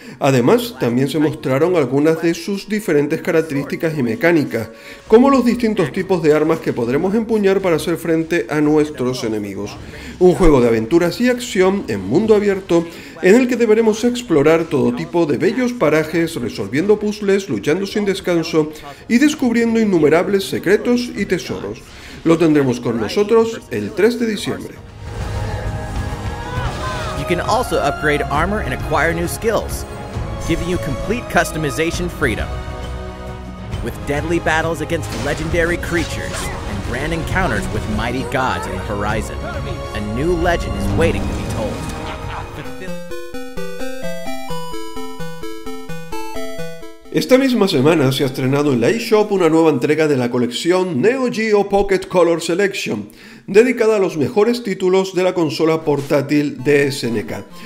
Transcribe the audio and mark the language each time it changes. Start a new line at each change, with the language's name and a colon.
Spanish: Además, también se mostraron algunas de sus diferentes características y mecánicas, como los distintos tipos de armas que podremos empuñar para hacer frente a nuestros enemigos. Un juego de aventuras y acción en mundo abierto, en el que deberemos explorar todo tipo de bellos parajes, resolviendo puzzles, luchando sin descanso y descubriendo innumerables secretos y tesoros. Lo tendremos con nosotros el 3 de diciembre.
English: You can also upgrade armor and acquire new skills, giving you complete customization freedom. With deadly battles against legendary creatures and grand encounters with mighty gods on the horizon, a new legend is waiting to be told.
Spanish: Esta misma semana se ha estrenado en la eShop una nueva entrega de la colección Neo Geo Pocket Color Selection, dedicada a los mejores títulos de la consola portátil de SNK.